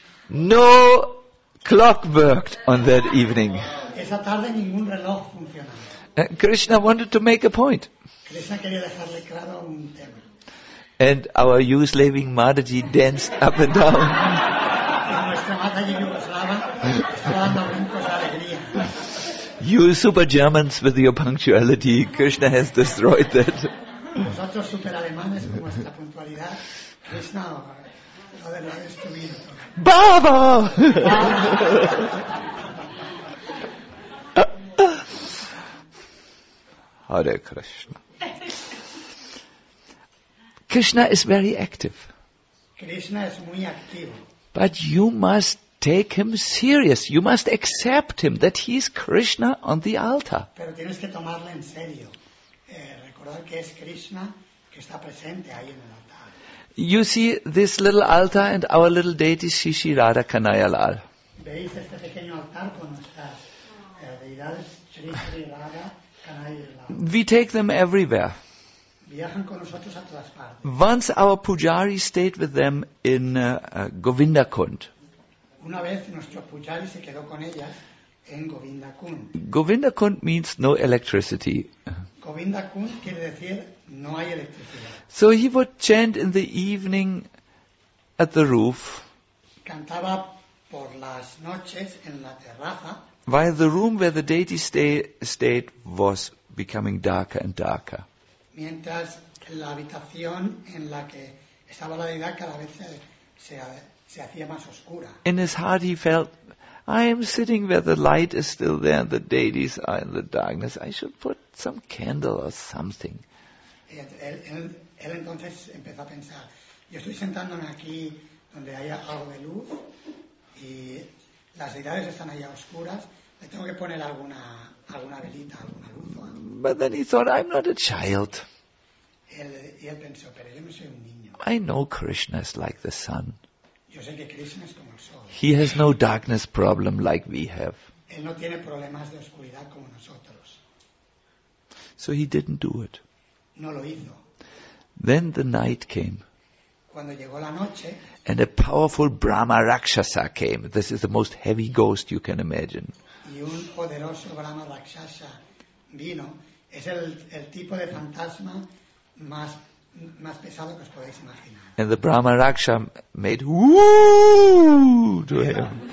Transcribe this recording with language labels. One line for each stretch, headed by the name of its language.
English: No clock worked on that evening.
Spanish: Esa tarde ningún reloj funcionaba.
English: And Krishna wanted to make a point.
Spanish: Krishna quería dejarle claro un tema.
English: And our Yugoslavian Mataji danced up and down.
Spanish: Nuestra Mataji Yugoslava estaba dando brincos de alegría.
English: You super Germans with your punctuality, Krishna has destroyed that.
Spanish: Vosotros super alemanes con vuestra puntualidad, Krishna lo ha destruido. Baba! Hare Krishna.
English: Krishna is very active.
Spanish: Krishna es muy activo.
English: But you must take him serious. You must accept him that he is Krishna on the altar.
Spanish: Pero tienes que tomarlo en serio. Recordar que es Krishna que está presente ahí en el altar.
English: You see this little altar and our little deity Shishi Radha Kanhaiya Lal.
Spanish: ¿Veis este pequeño altar con nuestras deidades Shri Shri Radha Kanhaiya Lal?
English: We take them everywhere.
Spanish: Viajan con nosotros a todas partes.
English: Once our pujari stayed with them in Govindakund.
Spanish: Una vez nuestro pujari se quedó con ellas en Govindakund.
English: Govindakund means no electricity.
Spanish: Govindakund quiere decir no hay electricidad.
English: So he would chant in the evening at the roof.
Spanish: Cantaba por las noches en la terraza.
English: While the room where the deity stayed was becoming darker and darker.
Spanish: Mientras la habitación en la que estaba la deidad cada vez se hacía más oscura.
English: In his heart he felt, I am sitting where the light is still there and the deities are in the darkness. I should put some candle or something.
Spanish: Él entonces empezó a pensar, yo estoy sentándome aquí donde haya algo de luz y las deidades están allá oscuras. Le tengo que poner alguna velita, alguna luz.
English: But then he thought, I'm not a child.
Spanish: Él pensó, pero yo no soy un niño.
English: I know Krishna is like the sun.
Spanish: Yo sé que Krishna es como el sol.
English: He has no darkness problem like we have.
Spanish: Él no tiene problemas de oscuridad como nosotros.
English: So he didn't do it.
Spanish: No lo hizo.
English: Then the night came.
Spanish: Cuando llegó la noche,
English: and a powerful Brahma Rakshasa came. This is the most heavy ghost you can imagine.
Spanish: Y un poderoso Brahma Rakshasa vino, es el tipo de fantasma más pesado que os podéis imaginar.
English: And the Brahma Raksha made woo to him.